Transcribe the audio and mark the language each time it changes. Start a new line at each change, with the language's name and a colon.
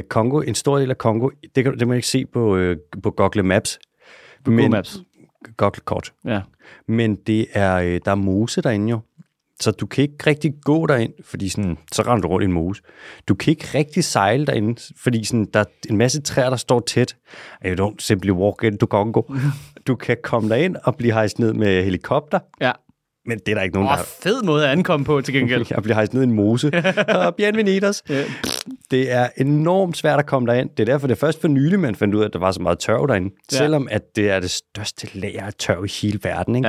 Danish: Congo, en stor del af Congo, det må jeg ikke se på Google Maps. Google kort. Ja. Men det er, der er mose derinde jo. Så du kan ikke rigtig gå derind, fordi sådan, så rammer du rundt i en mose. Du kan ikke rigtig sejle derinde, fordi sådan, der er en masse træer, der står tæt.
English: You don't simply walk into Congo.
Danish: Du kan komme derind og blive hejst ned med helikopter. Ja. Men det er der ikke nogen, der... Fed måde at ankomme på, til gengæld. Jeg bliver hejst ned i en mose. Bienvenidos. Det er enormt svært at komme derind. Det er derfor, det er først for nylig, man fandt ud af, at der var så meget tørv derinde. Ja. Selvom at det er det største lager af tørv i hele verden. Ikke?